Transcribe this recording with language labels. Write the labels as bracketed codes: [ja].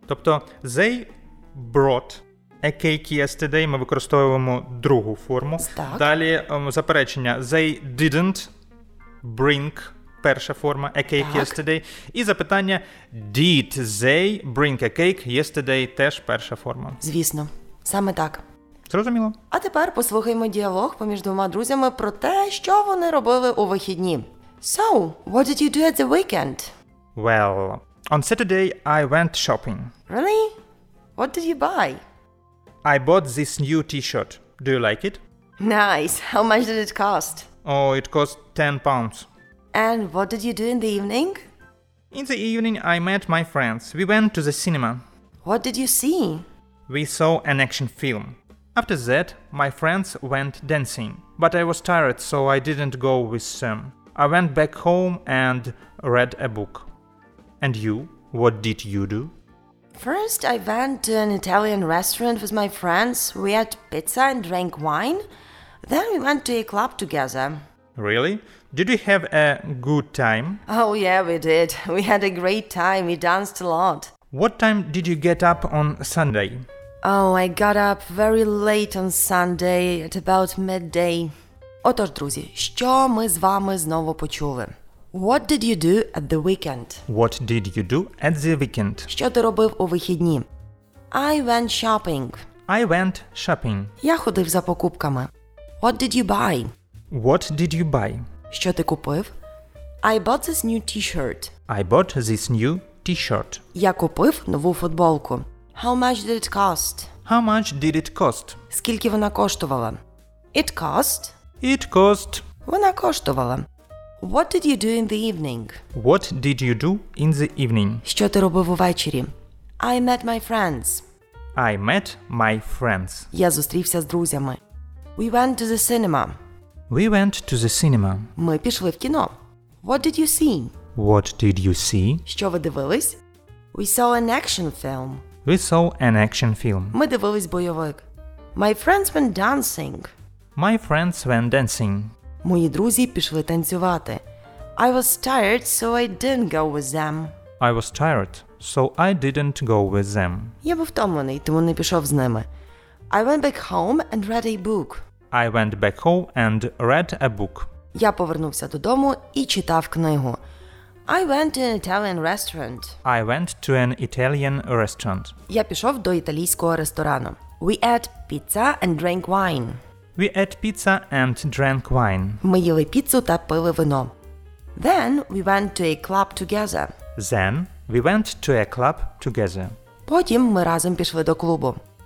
[uk] Тобто, [en] they brought a cake yesterday, [uk] ми використовуємо другу форму. Так. Далі заперечення. [en] They didn't bring, [uk] перша форма, [en] a cake, [uk] так, [en] yesterday. [uk] І запитання, [en] did they bring a cake yesterday, [uk] теж перша форма. Звісно, саме так. Зрозуміло. А тепер послухаємо діалог поміж двома друзями про те, що вони робили у вихідні. [en] So, what did you do at the weekend? Well, on Saturday I went shopping. Really? What did you buy? I bought this new t-shirt. Do you like it? Nice. How much did it cost? Oh, it cost £10. And what did you do in the evening? In the evening I met my friends. We went to the cinema. What did you see? We saw an action film. After that, my friends went dancing. But I was tired, so I didn't go with them. I went back home and read a book. And you? What did you do? First, I went to an Italian restaurant with my friends. We had pizza and drank wine. Then we went to a club together. Really? Did we have a good time? Oh yeah, we did. We had a great time. We danced a lot. What time did you get up on Sunday? Oh, I got up very late on Sunday, at about midday. [uk] Отож, друзі, що ми з вами знову почули? [en] What did you do at the weekend? What did you do at the weekend? [uk] Що ти робив у вихідні? [en] I went shopping. I went shopping. [uk] Я ходив за покупками. [en] What did you buy? What did you buy? [uk] Що ти купив? [en] I bought this new t-shirt. I bought this new t-shirt. [uk] Я купив нову футболку. [en] How much did it cost? How much did it cost? [uk] Скільки вона коштувала? [en] It cost. It cost. [uk] Вона коштувала. [en] What did you do in the evening? What did you do in the evening? [uk] Що ти робив увечері? [en] I met my friends. I met my friends. [uk] Я зустрівся з друзями. [en] We went to the cinema. We went to the cinema. [uk] Ми пішли в кіно. [en] What did you see? What did you see? [uk] Що ви дивились? [en] We saw an action film. We saw an action film. [uk] Ми дивились бойовик. [en] My friends went dancing. My friends went dancing. [uk] Мої друзі пішли танцювати. [en] I was tired, so I didn't go with them. I was tired, so I didn't go with them. [uk] Я був втомлений, тому не пішов з ними. [en] I went back home and read a book. I went back home and read a book. [uk] Я повернувся додому і читав книгу. [en] I went to an Italian restaurant. I went to an Italian restaurant. [uk] Я пішов до італійського ресторану. [en] We ate pizza and drank wine. We ate pizza and drank wine. [uk] Ми їли піцу та пили вино. [en] Then we went to a club together. Then we went to a club together. [uk] Потім ми разом пішли до клубу.